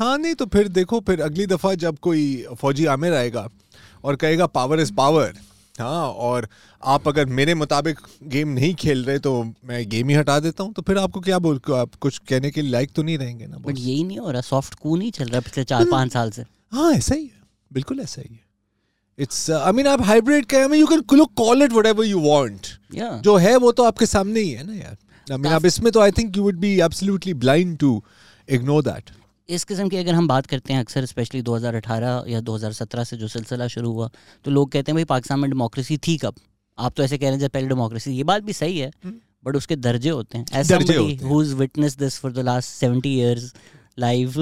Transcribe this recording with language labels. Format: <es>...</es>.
<ur>ہاں نہیں تو پھر دیکھو, پھر اگلی دفعہ جب کوئی فوجی عامر آئے گا اور کہے گا</ur> <en>power is power,</en> <ur>ہاں, اور آپ اگر میرے مطابق گیم نہیں کھیل رہے تو میں گیم ہی ہٹا دیتا ہوں, تو پھر آپ کو کیا بول, آپ کچھ کہنے کے لائق تو نہیں رہیں گے نا. بٹ یہی نہیں ہو رہا, سافٹ کو نہیں چل رہا پچھلے 4-5 سال سے. ہاں ایسا ہی ہے, بالکل ایسا ہی ہے.</ur> <en>It's, I mean,</en> <ur>aap hybrid kahe,</ur> <en>I mean, you can call it whatever you want. Yeah.</en> <ur>Jo hai, wo to aapke samne hi hai na, yaar.</ur> <en>I mean,</en> <ur>aap isme to,</ur> <en>I think you would be absolutely blind to ignore that.</en> <ur>اس قسم کی اگر ہم بات کرتے ہیں اکثر, especially 2018 یا 2017 سے جو سلسلہ شروع ہوا, تو لوگ کہتے ہیں بھائی پاکستان میں ڈیموکریسی تھی کب. آپ تو ایسے کہہ رہے ہیں جب پہلے ڈیموکریسی, یہ بات بھی صحیح ہے, بٹ اس کے درجے ہوتے ہیں.</ur> <en>As somebody who's witness this for the last 70 years life.</en>